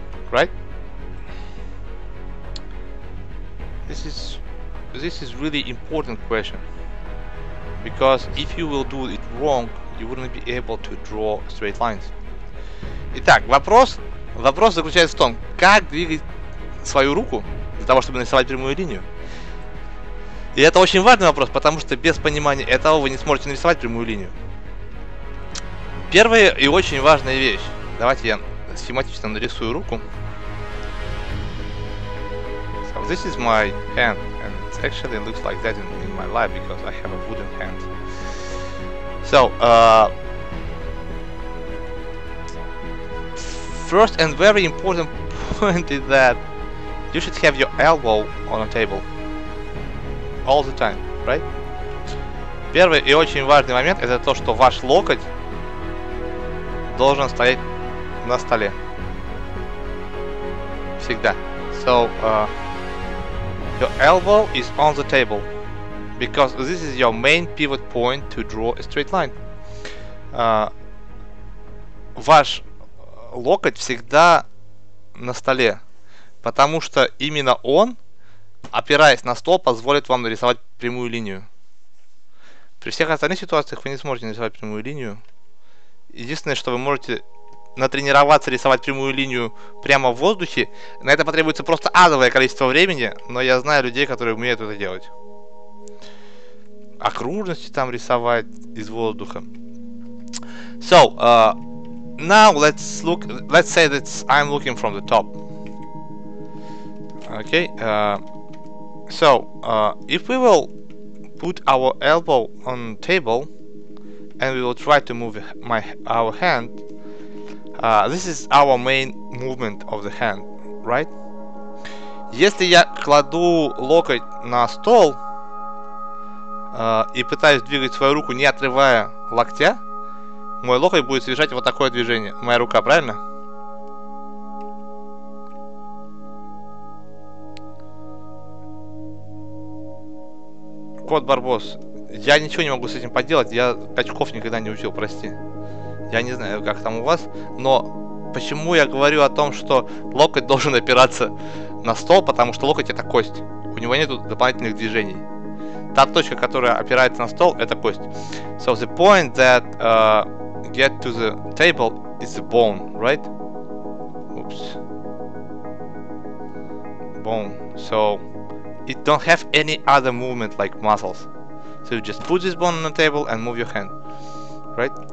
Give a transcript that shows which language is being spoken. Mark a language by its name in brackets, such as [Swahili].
[English] Right? This is really important question, because if you will do it wrong, you wouldn't be able to draw straight lines. [Russian] Итак, вопрос заключается в том, как двигать свою руку для того, чтобы нарисовать прямую линию. И это очень важный вопрос, потому что без понимания этого вы не сможете нарисовать прямую линию. Первая и очень важная вещь. Давайте я схематично нарисую руку. [English] So this is my hand. Actually, it looks like that in my life because I have a wooden hand. So, first and very important point is that you should have your elbow on a table all the time, right? [Russian] Первый и очень важный момент – это то, что ваш локоть должен стоять на столе всегда. [English] So. Your elbow is on the table because this is your main pivot point to draw a straight line. [Russian] Ваш локоть всегда на столе, потому что именно он, опираясь на стол, позволит вам нарисовать прямую линию. При всех остальных ситуациях вы не сможете нарисовать прямую линию. Единственное, что вы можете натренироваться рисовать прямую линию прямо в воздухе, на это потребуется просто адовое количество времени, но я знаю людей, которые умеют это делать. Окружности там рисовать из воздуха. [English] So, now let's say that I'm looking from the top. Okay, so, if we will put our elbow on the table and we will try to move our hand, this is our main movement of the hand, right? [Russian] Если я кладу локоть на стол и пытаюсь двигать свою руку, не отрывая локтя, мой локоть будет совершать вот такое движение. Моя рука, правильно? Кот Барбос. Я ничего не могу с этим поделать. Я качков никогда не учил, прости. Я не знаю, как там у вас, но почему я говорю о том, что локоть должен опираться на стол, потому что локоть — это кость. У него нет дополнительных движений. Та точка, которая опирается на стол, — это кость. [English] So the point that get to the table is the bone, right? Oops. Bone. So it don't have any other movement like muscles. So you just put this bone on the table and move your hand, right?